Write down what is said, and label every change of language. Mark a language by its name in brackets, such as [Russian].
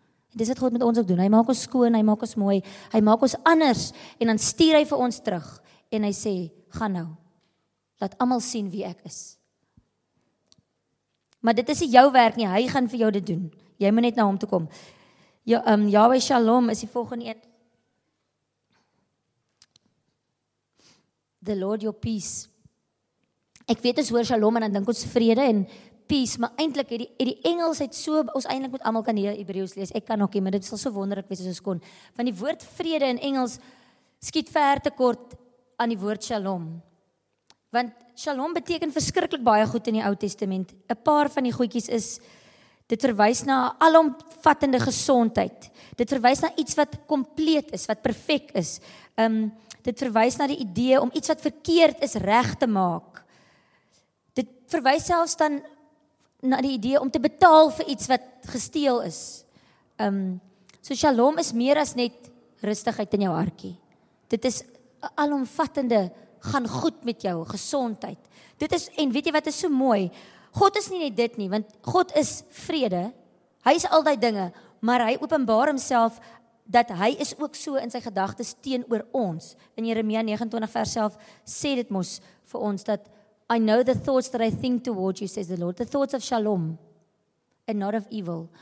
[Afrikaans] En dis wat God met ons ook doen, hy maak ons skoon, hy maak ons mooi, hy maak ons anders, en dan stuur hy vir ons terug, en hy sê, ga nou, laat allemaal sien wie ek is. Maar dit is nie jou werk nie, hy gaan vir jou dit doen, jy moet net na hom toe kom. Yahweh Shalom is die volgende een. [English] The Lord your peace. [Afrikaans] Ek weet ons hoor shalom en dan dink ons vrede en peace, maar eintlik het die Engels het so, ons eintlik moet almal kan hier Hebreeus lees, ek kan ook nie, maar dit sal so wonderlik wees as ons kon, want die woord vrede in Engels skiet ver te kort aan die woord shalom, want shalom beteken verskriklik baie goed in die Ou Testament. 'N paar van die goedjies is, dit verwys na alomvattende gesondheid, dit verwys na iets wat compleet is, wat perfect is, dit verwys na die idee om iets wat verkeerd is reg te maak. Dit verwys selfs dan na die idee om te betaal vir iets wat gesteel is. So shalom is meer as net rustigheid in jou hartjie. Dit is alomvattende, gaan goed met jou, gesondheid. Dit is, en weet jy wat is so mooi? God is nie net dit nie, want God is vrede. Hy is al die dinge, maar hy openbaar homself dat hy is ook so in sy gedagtes teenoor ons. In Jeremia 29 vers self sê dit mos vir ons dat [English] I know the thoughts that I think towards you, says the Lord. The thoughts of shalom and not of evil.